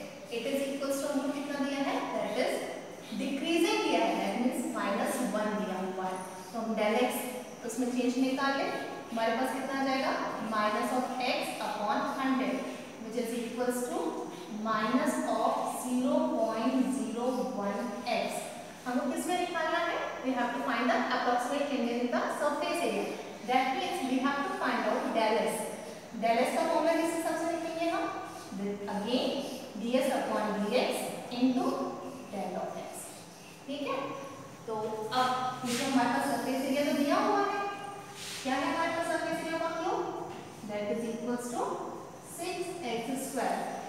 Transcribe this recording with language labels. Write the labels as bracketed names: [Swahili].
[English] It is equal to [Hindi] हमने कितना दिया है? [English] That is decreasing [Hindi] दिया है. [English] That means minus 1 [Hindi] दिया हुआ है. तो हम del X तो इसमें change निकाले. हमारे पास कितना जाएगा? [English] Minus of X upon 100, which is equal to minus of 0.01 X. [Hindi] हमको किसमें निकालना है? [English] We have to find the approximate change in the surface area. That means we have to find out del X. [Hindi] Del S का formula किस हिसाब से लिखेंगे हम? [English] Again ds upon dx into del of x. [Hindi] ठीक है, तो अब क्योंकि हमारे पास सरफेस एरिया तो दिया हुआ है, क्या है हमारे पास सरफेस एरिया का Q? [English] That is equals to 6x square.